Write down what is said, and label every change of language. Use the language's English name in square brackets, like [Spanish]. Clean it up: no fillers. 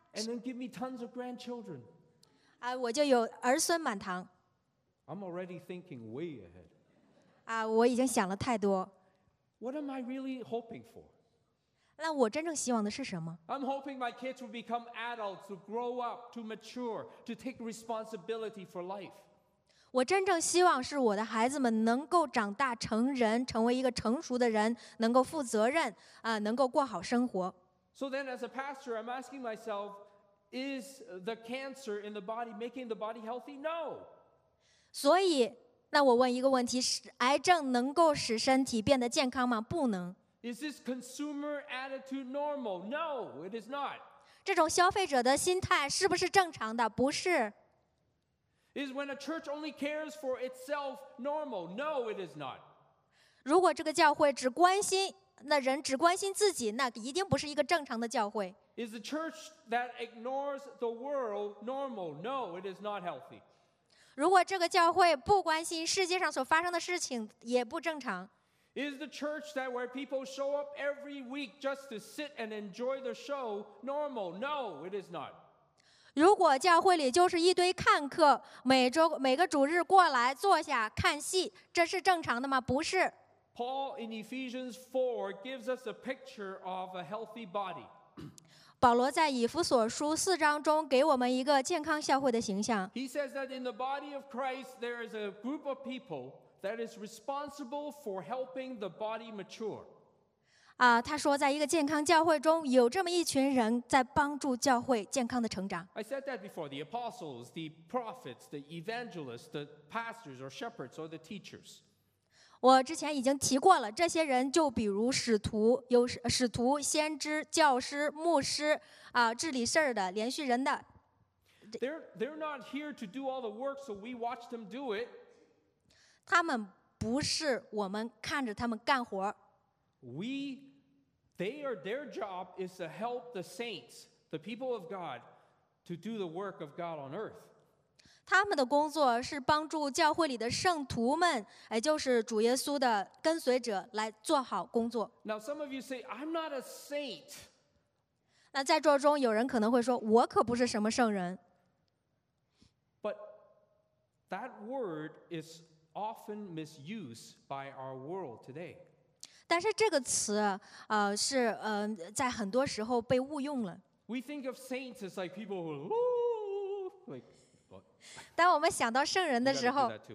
[English] and then give me tons of grandchildren. [Chinese] 我就有儿孙满堂 [English] I'm already thinking way ahead. [Chinese] 我已经想了太多。 [English] What am I really hoping for? [Chinese] 那我真正希望的是什么？ [English] I'm hoping my kids will become adults, to grow up, to mature, to take responsibility for life. [Chinese] 我真正希望是我的孩子们能够长大成人，成为一个成熟的人，能够负责任，能够过好生活。 [English] So then as a pastor, I'm asking myself, is the cancer in the body making the body healthy? No. [Chinese] 所以，那我问一个问题：是癌症能够使身体变得健康吗？不能。 [English] Is this consumer attitude normal? No, it is not. [Chinese] 这种消费者的心态是不是正常的？不是。 [English] Is when a church only cares for itself normal? No, it is not. [Chinese] 如果这个教会只关心那人只关心自己，那一定不是一个正常的教会。 [English] Is a church that ignores the world normal? No, it is not healthy. [Chinese] 如果这个教会不关心世界上所发生的事情，也不正常。 [English] Is the church that where people show up every week just to sit and enjoy the show normal? No, it is not. [Chinese] 如果教会里就是一堆看客，每个主日过来坐下看戏，这是正常的吗？不是。 [English] Paul in Ephesians 4 gives us a picture of a healthy body. [Chinese] 保罗在以弗所书四章中给我们一个健康教会的形象。 [English] He says that in the body of Christ, there is a group of people that is responsible for helping the body mature. [Chinese] 他说在一个健康教会中有这么一群人在帮助教会健康的成长。 [English] I said that before, the apostles, the prophets, the evangelists, the pastors or shepherds or the teachers. [Chinese] 我之前已经提过了，这些人就比如使徒，有使徒、先知、教师、牧师，治理事的、连续人的。 [English] They're not here to do all the work, so we watch them do it. [Chinese] 他们不是我们看着他们干活。 [English] Their job is to help the saints, the people of God, to do the work of God on earth. [Chinese] 他们的工作是帮助教会里的圣徒们，也就是主耶稣的跟随者来做好工作。 [English] Now some of you say, I'm not a saint. [Chinese] 那在座中有人可能会说，我可不是什么圣人。 [English] But that word is often misused by our world today. [Chinese] 但是这个词是在很多时候被误用了。 [English] We think of saints as like people who like what? [Chinese] 当我们想到圣人的时候。